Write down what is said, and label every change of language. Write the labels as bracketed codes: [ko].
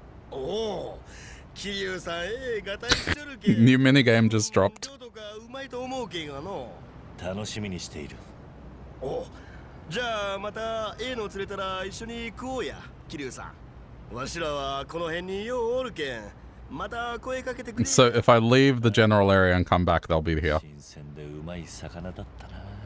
[ja] おお、キリュウさん、がたいしとるけん。 [en] New mini game just dropped。 [ja] とかうまいと思うけんがの。楽しみにしている。おお、じゃあまた A の連れたら一緒に食おうや、キリュウさん。わしらはこの辺にようおるけん、また声かけてくれ。 [en] So if I leave the general area and come back, they'll be here. [ja] 新鮮でうまい魚だったな。